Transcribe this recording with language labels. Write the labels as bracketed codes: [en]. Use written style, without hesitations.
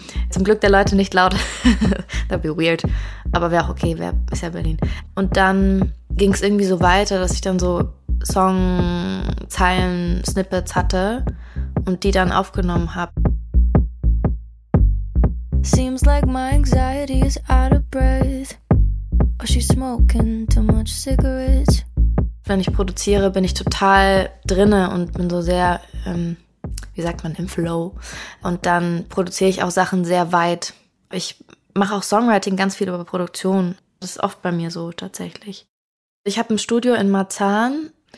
[de] Zum Glück der Leute nicht laut. [en] That'd be weird. [de] Aber wäre auch okay, ist ja Berlin. Und dann ging es irgendwie so weiter, dass ich dann so Song-Zeilen-Snippets hatte und die dann aufgenommen habe. [en] Seems like my anxiety is out of breath. Or she's smoking too much cigarettes. [de] Wenn ich produziere, bin ich total drinne und bin so sehr, wie sagt man, im Flow. Und dann produziere ich auch Sachen sehr weit. Ich mache auch Songwriting ganz viel über Produktion. Das ist oft bei mir so tatsächlich. Ich habe ein Studio in Marzahn.